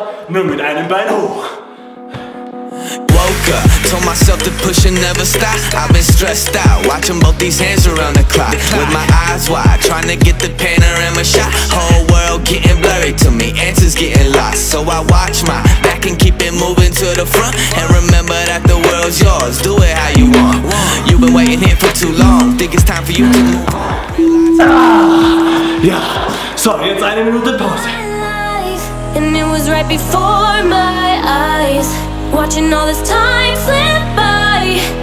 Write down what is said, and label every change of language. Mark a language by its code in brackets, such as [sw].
[de] Nur mit einem Bein hoch. [en] Woke up. told myself to push and never stop. I've been stressed out, watching both these hands around the clock. With my eyes wide, trying to get the panorama shot. Whole world getting blurry to me, answers getting lost. So I watch my back and keep it moving to the front. And remember that the world's yours, do it how you want. You've been waiting here for too long, think it's time for you to move on. [de] Yeah, so jetzt eine Minute Pause. [en] And it was right before my eyes, watching all this time slip by.